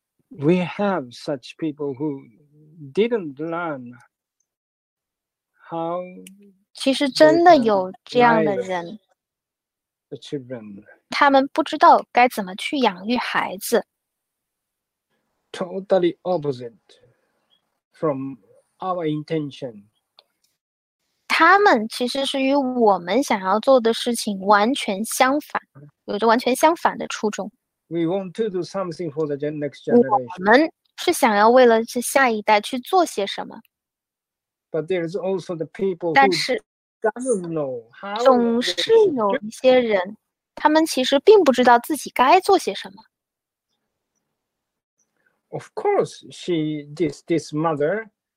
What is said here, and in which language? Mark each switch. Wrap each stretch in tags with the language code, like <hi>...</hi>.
<en>We have such people who didn't learn how.</en> <zh>其实真的有这样的人。</zh> <en>The children.</en> <zh>他们不知道该怎么去养育孩子。</zh> <en>Totally opposite from our intention.</en> <zh>他们其实是与我们想要做的事情完全相反，有着完全相反的初衷。</zh> <en>We want to do something for the next generation.</en> <zh>我们是想要为了这下一代去做些什么。</zh> <en>But there is also the people who don't know how.</en> <zh>总是有一些人，他们其实并不知道自己该做些什么。</zh> <en>Of course, she this mother.</en>